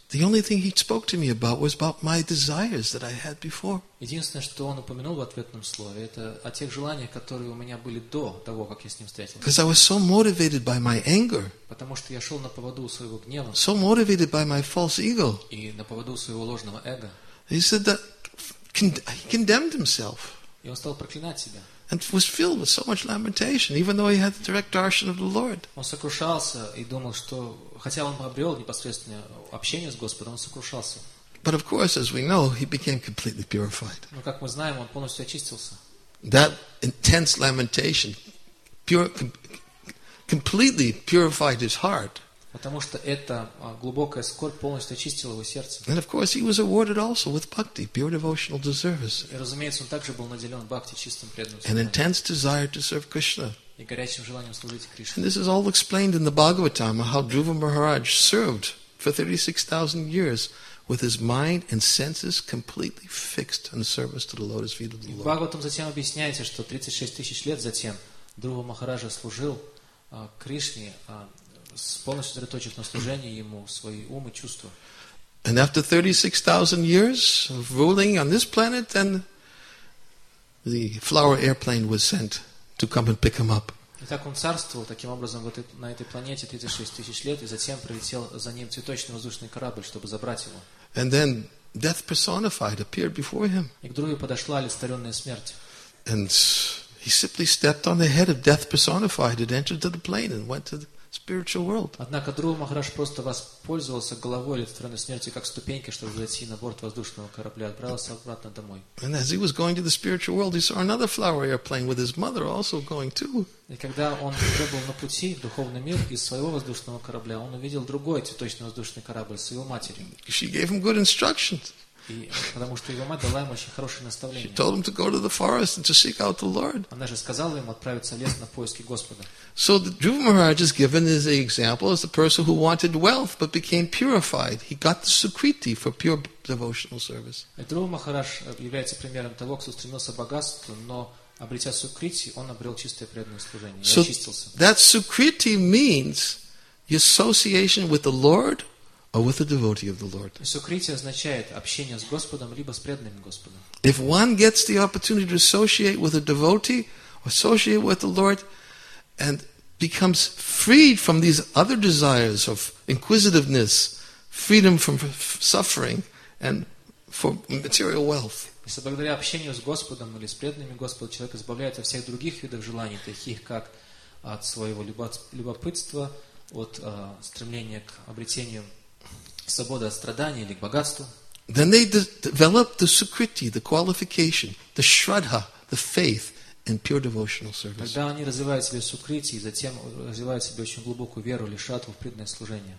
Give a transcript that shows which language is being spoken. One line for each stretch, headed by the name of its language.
English: The only thing he spoke to me about was about my desires that I had before.
Russian: Единственное, что он упомянул в ответном слове, это о тех желаниях, которые у меня были до того, как я с ним встретился.
English: Because I was so motivated by my anger.
Russian: Потому что я шел на поводу своего гнева.
English: So motivated by my false ego.
Russian: И на поводу своего ложного эго.
English: He said that he condemned himself.
Russian: И он стал проклинать себя.
English: And was filled with so much lamentation, even though he had the direct darshan of the Lord.
Russian: Он сокрушался и думал, что хотя он обрел непосредственное общение с Господом, он сокрушался.
English: But of course, as we know, he became completely purified.
Russian: Но как мы знаем, он полностью очистился.
English: That intense lamentation, completely purified his heart.
Russian: Потому что эта глубокая скорбь полностью очистила его сердце.
English: And of course, he was awarded also with bhakti, pure devotional service.
Russian: И, разумеется, он также был наделен бхакти, чистым преданным.
English: An intense desire to serve Krishna.
Russian: И горячим желанием служить Кришне.
English: And this is all explained in the Bhagavatam, how Dhruva Maharaj served for 36,000 years with his mind and senses completely fixed in service to the lotus feet of the Lord.
Russian: Бхагаватам затем объясняется, что 36 тысяч лет затем Друга Махараджа служил Кришне, полностью сосредоточив на служении ему свои ум и чувства.
English: And after 36,000 years of ruling on this planet, then the flower airplane was sent to come and pick him up.
Russian: Итак, он царствовал таким образом вот на этой планете 36,000 лет, и затем прилетел за ним цветочный воздушный корабль, чтобы забрать его.
English: And then death personified appeared before him.
Russian: И к другу подошла олицетворенная смерть.
English: And he simply stepped on the head of death personified and entered to the plane and went to the spiritual world.
Russian: Однако Друга Махарадж просто воспользовался головой олицетворенной смерти как ступенькой, чтобы зайти на борт воздушного корабля, отправился обратно домой.
English: And as he was going to the spiritual world, he saw another flower airplane with his mother also going too.
Russian: И когда он уже был на пути в духовный мир из своего воздушного корабля, он увидел другой цветочный воздушный корабль с его матерью.
English: She gave him good instructions.
Russian: И, потому что его мать дала ему очень хорошее наставление.
English: She told him to go to the forest and to seek out the Lord.
Russian: Она же сказала ему отправиться в лес на поиски Господа.
English: So the Dhruva Maharaj is given as an example as the person who wanted wealth but became purified. He got the sukriti for pure devotional service.
Russian: Дхрува Махарадж является примером того, кто стремился к богатству, но обретя сукрити, он обрел чистое преданное служение,
English: so
Russian: очистился.
English: That sukriti means association with the Lord. Or with a devotee of the Lord.
Russian: Сукрити означает общение с Господом либо с преданным Господом.
English: If one gets the opportunity to associate with a devotee, associate with the Lord, and becomes freed from these other desires of inquisitiveness, freedom from suffering, and for material wealth.
Russian: Если благодаря общению с Господом или с преданными Господом человек избавляется от всех других видов желаний, таких как от своего любопытства, от стремления к обретению свобода от страданий или к богатству.
English: Then they develop the sukriti, the qualification, the shraddha, the faith in pure devotional service.
Russian: Тогда они развивают себе сукрити и затем развивают себе очень глубокую веру или шраддху в преданное служение.